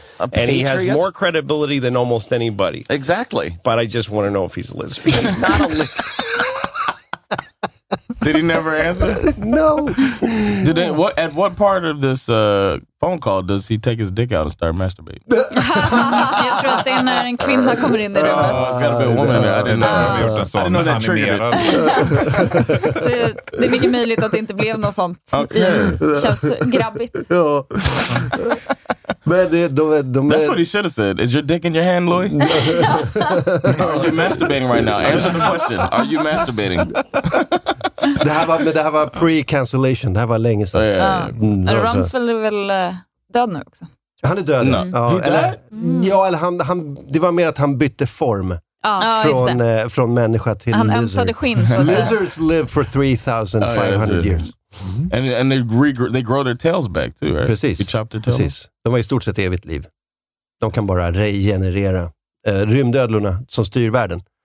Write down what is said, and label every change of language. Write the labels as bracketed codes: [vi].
[en] And he has more credibility than almost anybody. Exactly. But I just want to know if he's a lizard. He's not a lizard. Did he never answer? No. Did it, what? At what part of this phone call does he take his dick out and start masturbating? [sv] Jag tror att det är när en kvinna kommer in i rummet. [en] Det gotta be a woman. I didn't know. [sv] Vi gjort en sån. Han är nere. Så det är mycket möjligt att det inte blev något sånt. Okay. Det känns grabbigt. Ja. Men [en] that's what he should have said. Is your dick in your hand, Louis? Are you masturbating right now? Answer the question. Are you masturbating? [sv] Det här var pre-cancellation. Det här var länge sedan. Rumsfeld är väl död nu också? Han är död. [en] No. [sv] Ja, eller han, det var mer att han bytte form. Från människa till han [en] lizard. [sv] Han ömsade skinn. [en] Lizards live for 3,500 years. Mm-hmm. And they grow their tails back too, right? [sv] Precis. [en] You chop their tails. [sv] Precis. De har i stort sett evigt liv. De kan bara regenerera. Rymdödlorna som styr världen.